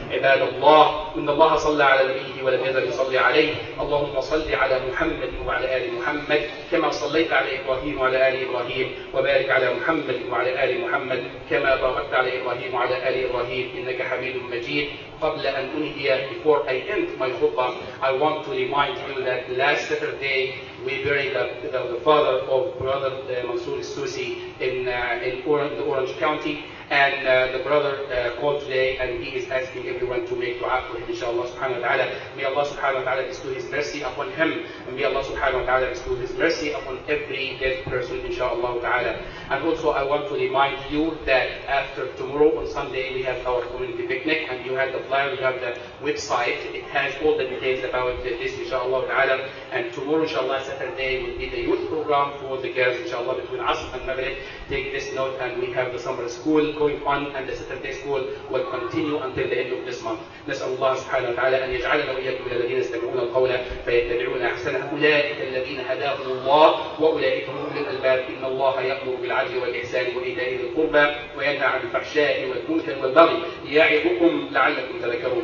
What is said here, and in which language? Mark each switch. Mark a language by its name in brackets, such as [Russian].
[Arabic] عباد الله, إن الله صلى على نبيه ولم يزل يصلي عليه. اللهم صل على محمد وعلى آل محمد كما صليت على إبراهيم وعلى آل إبراهيم, وبارك على محمد وعلى آل محمد كما باركت على إبراهيم وعلى آل إبراهيم, إنك حميد مجيد. قبل أن أنهي, [English] before I end my khutbah, I want to remind you that last Saturday we buried the father of brother Mansour Soussi in Orange County, and the brother called today, and he is asking everyone to make dua for him, inshallah subhanahu wa ta'ala. May Allah subhanahu wa ta'ala bestow his mercy upon him, and may Allah subhanahu wa ta'ala bestow his mercy upon every dead person, inshallah ta'ala. And also I want to remind you that after tomorrow on Sunday we have our community picnic, and you have the flyer, you have the website, it has all the details about this, inshallah ta'ala. And tomorrow, inshallah, Saturday will be the youth program for the girls, inshallah, between Asr and Maghrib. Take this note, and we have the summer school going on, and the Saturday school will continue until the end of this month. [Arabic] نسأل الله سبحانه وتعالى أن يجعلنا وإياكم من الذين يستمعون القول فيتبعون أحسنه, أولئك الذين هداهم الله وأولئك هم أولو الألباب. إن الله يأمر بالعدل والإحسان وإيتاء ذي القربى وينهى عن الفحشاء والمنكر والبغي يعظكم لعلكم تذكرون.